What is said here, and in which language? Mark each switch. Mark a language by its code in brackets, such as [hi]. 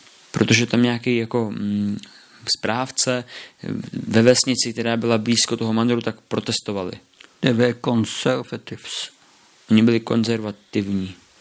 [cs] Protože tam nějaký správce ve vesnici, která byla blízko toho manoru, tak protestovali. [en] They were conservatives. [cs] Oni byli konzervativní.